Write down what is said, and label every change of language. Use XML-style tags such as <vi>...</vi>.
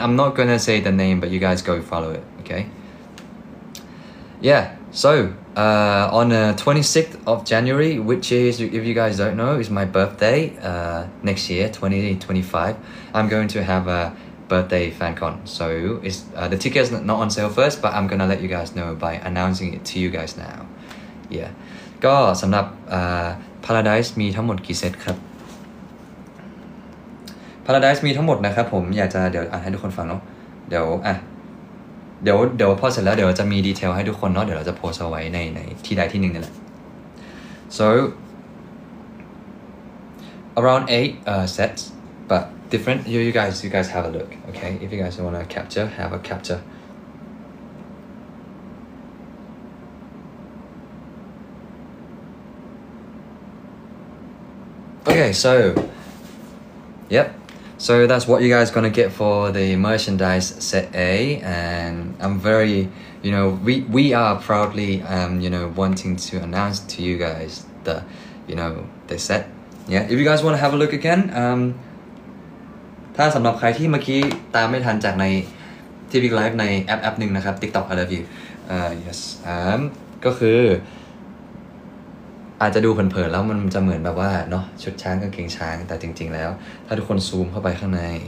<en>I'm not gonna say the name, but you guys go follow it, okay? Yeah, so on the 26th of January, which is, if you guys don't know, is my birthday next year, 2025, I'm going to have a birthday fan con. So it's, the ticket is not on sale first, but I'm gonna let you guys know by announcing it to you guys now. Yeah.</en> <th>ก็สำหรับ Paradise มีทั้งหมดกี่เซตครับ Paradise มีทั้งหมดนะครับผมอยากจะเดี๋ยวให้ทุกคนฟังเนาะเดี๋ยวอ่ะ เดี๋ยวพอเสร็จแล้วเดี๋ยวจะมีดีเทลให้ทุกคนเนาะเดี๋ยวเราจะโพสเอาไว้ในที่ใดที่หนึ่งนี่แหละ</th> <en>So around 8 sets but different you guys have a look okay if you guys want to capture have a capturedOkay, so, yep. So that's what you guys gonna get for the merchandise set A, and I'm very, you know, we are proudly, you know, wanting to announce to you guys the, you know, the set. Yeah. If you guys want to have a look again,</en> <th>ถ้าสำหรับใครที่เมื่อกี้ตามไม่ทันจากใน TV Live ในแอปหนึ่งนะครับ</th> <en>TikTok I love you. Yes.</en> <th>ก็คืออาจจะดูเผินๆแล้วมันจะเหมือนแบบว่าเนาะชุดช้างกางเกงช้างแต่จริงๆแล้วถ้าทุกคนซูมเข้าไปข้างใน</th>